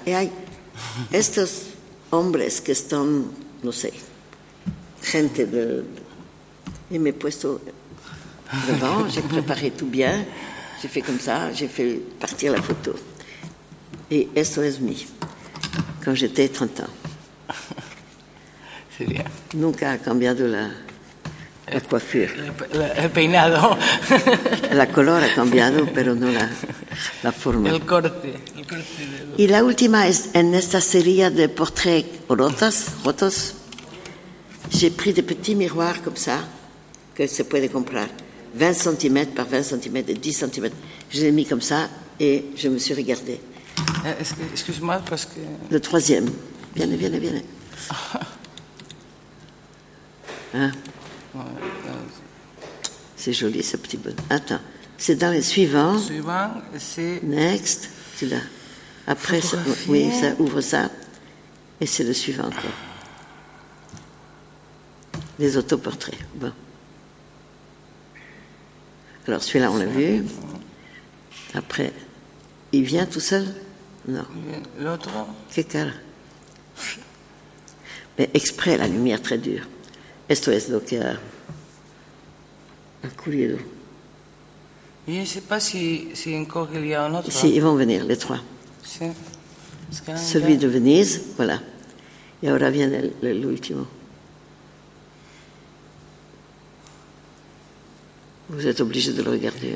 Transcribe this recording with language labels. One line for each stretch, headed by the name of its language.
Spanish: Et hay estos hombres que están. No sé, gente de. Y me he puesto
French: devant, j'ai préparé tout bien, j'ai fait comme ça, j'ai fait partir la photo.
Spanish: Et esto es mi,
French: quand j'étais 30 ans. C'est bien.
Spanish: Nunca ha cambiado la coiffure. El peinado. La color ha cambiado, pero no la forma. El corte. Y la última es en esta serie de portraits rotos.
French: J'ai pris des petits miroirs comme ça, que se peut comprendre, 20 cm par 20 cm et 10 cm. Je l'ai mis comme ça et je me suis regardée. Excuse-moi parce que. Le troisième. Viens. Hein? Ouais. C'est joli ce petit bon. Attends, c'est dans les suivants. Suivant, c'est.
English: Next,
French: c'est là. Après, ça, oui, ça ouvre ça et c'est le suivant encore. Les autoportraits. Bon. Alors, celui-là, on l'a vu. Après, il vient tout seul? Non. L'autre? Quel cas? Mais exprès, la lumière très dure.
Spanish: Esto es lo que ha ocurrido.
French: Je ne sais pas si encore il y a un autre. Si, ils vont venir, les trois. Si. Celui de Venise, voilà. Et
Spanish: ahora
French: vient
Spanish: l'ultimo.
French: Vous êtes obligé de le regarder.